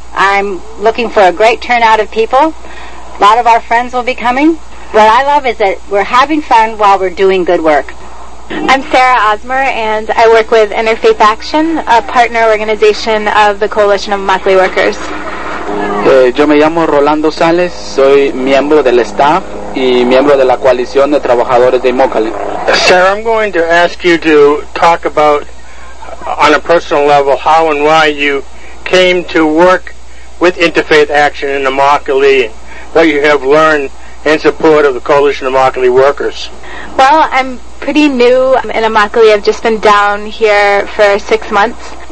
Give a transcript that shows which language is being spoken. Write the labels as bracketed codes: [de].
[en] I'm looking for a great turnout of people. A lot of our friends will be coming. What I love is that we're having fun while we're doing good work. I'm Sarah Osmer, and I work with Interfaith Action, a partner organization of the Coalition of Immokalee Workers. [es] Yo me llamo Rolando Sales, soy miembro del staff y miembro de la coalición de trabajadores de Immokalee. [en] Sarah, I'm going to ask you to talk about, on a personal level, how and why you came to work with Interfaith Action in Immokalee and what you have learned in support of the Coalition of Immokalee Workers? Well, I'm pretty new in Immokalee. I've just been down here for 6 months.